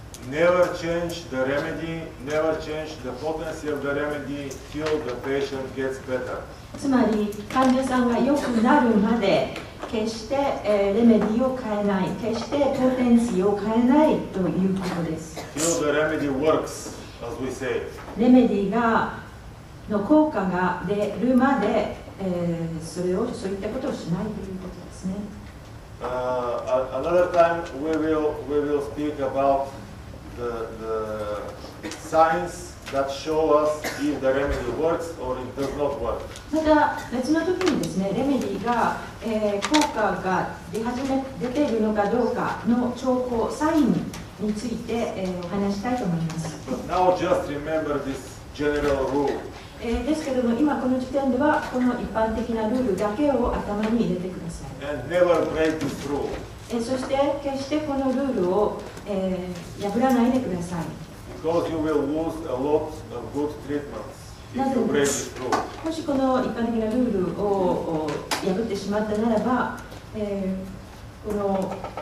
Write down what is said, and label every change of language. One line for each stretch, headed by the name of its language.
English: Never change the remedy, never change the potency of the remedy till the patient gets better.
Japanese: つまり患者さんが良くなるまで決して、レメディを変えない、決してポテンシーを変えないということです。
English: Till the remedy works, as we say.
Japanese: レメディがの効果が出るまで、そういったことをしないということですね。
English: Another time we will speak about the signsThat show us if the remedy works or it does not work.
Japanese: また別の時にですね、レメディが、効果が出ているのかどうかの兆候、サインについて、お話したいと思います。
English: But now just remember this general rule.
Japanese: ですけども、今この時点ではこの一般的なルールだけを頭に入れてください。
English: And never break this rule.
Japanese: そして決してこのルールを、破らないでください。
English: Because you will lose a lot of good treatments if you break this rule.
Japanese: もしこの一般的なルールを破ってしまったならば、この